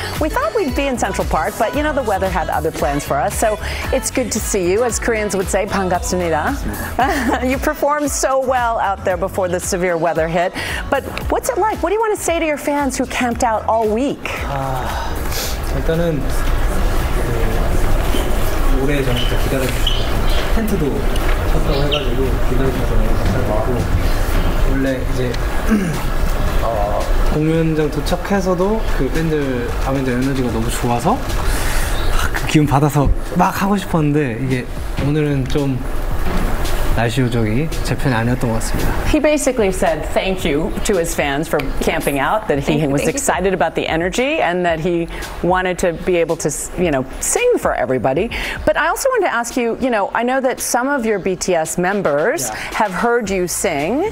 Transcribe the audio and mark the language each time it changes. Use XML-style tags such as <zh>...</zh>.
<en>We thought we'd be in Central Park, but you know, the weather had other plans for us. So it's good to see you. As Koreans would say,</en> <ko>반갑습니다.</ko> <en>You performed so well out there before the severe weather hit. But what's it like? What do you want to say to your fans who camped out all week?</en> <ko>일단은 오래 전부터 기다렸어요. 텐트도 쳤다고 해가지고 기다려서 감사하고, 원래 이제 공연장 도착해서도 그 밴드 에너지가 너무 좋아서 그 기운 받아서 막 하고 싶었는데, 이게 오늘은 좀 아쉬움적이 제 편이 아니었던 것 같습니다.</ko> <en>He basically said thank you to his fans for camping out, that he was excited about the energy and that he wanted to be able to, you know, sing for everybody. But I also wanted to ask you, you know, I know that some of your BTS members have heard you sing.</en>